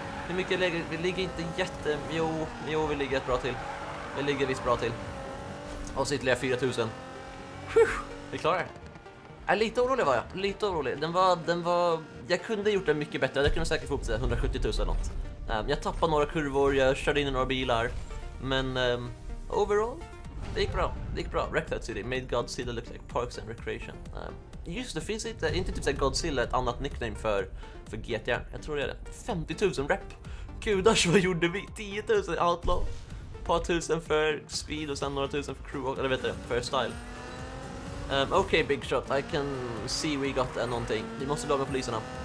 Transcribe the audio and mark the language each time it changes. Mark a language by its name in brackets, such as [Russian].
[Swedish] Hur mycket ligger, vi ligger inte jätte... Jo, vi ligger ett bra till. Vi ligger visst bra till. Och så ytterligare 4000. Vi klarar. Lite orolig var jag. Den var... Jag kunde gjort det mycket bättre, jag kunde säkert få upp 170 000 eller något. Jag tappade några kurvor, jag körde in i några bilar. Men overall, det gick bra. [English] Wreck that city, made God's city look like parks and recreation. [Swedish] Just det, finns inte, inte typ såhär Godzilla ett annat nickname för GTA? Jag tror det är det. 50 000 rep. Kudash, vad gjorde vi? 10 000 Outlaw. Par tusen för speed och sen några tusen för crew, eller vet du, för style. Okej, Big Shot, [English] I can see we got [Swedish] någonting. Vi måste bli av med poliserna.